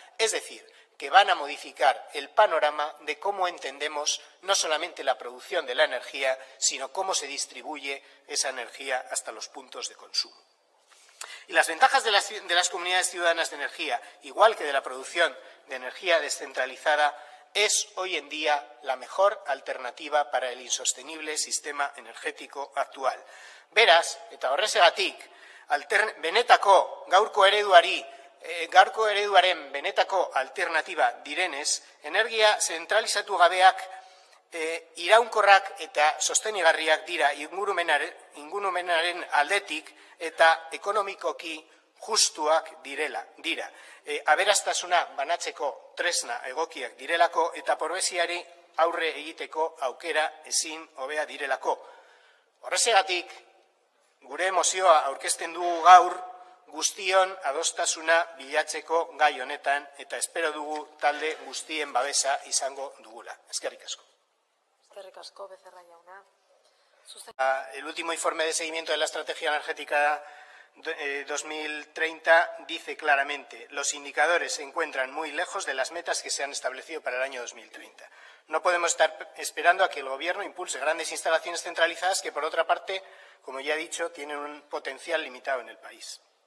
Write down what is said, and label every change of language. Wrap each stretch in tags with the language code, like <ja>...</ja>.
<es>Es decir, que van a modificar el panorama de cómo entendemos no solamente la producción de la energía, sino cómo se distribuye esa energía hasta los puntos de consumo. Y las ventajas de las comunidades ciudadanas de energía, igual que de la producción de energía descentralizada, es hoy en día la mejor alternativa para el insostenible sistema energético actual.</es> <eu>Beraz, eta horrezegatik, benetako gaurko ereduari, gaurko ereduaren benetako alternativa direnez, energia zentralizatu gabeak iraunkorrak eta sostenigarriak dira ingurumenaren aldetik eta ekonomikoki justuak direla, dira. Aberastasuna banatzeko tresna egokiak direlako eta pobreziari aurre egiteko aukera ezin hobea direlako. Horrezegatik, gure mozioa aurkezten dugu gaur guztion adostasuna bilatzeko gai honetan eta espero dugu talde guztien babesa izango dugula. Eskerrik asko. Eskerrik asko, Becerra jauna.</eu> <es>El último informe de seguimiento de la estrategia energética 2030 dice claramente, los indicadores se encuentran muy lejos de las metas que se han establecido para el año 2030. No podemos estar esperando a que el Gobierno impulse grandes instalaciones centralizadas que, por otra parte, como ya he dicho, tienen un potencial limitado en el país.</es>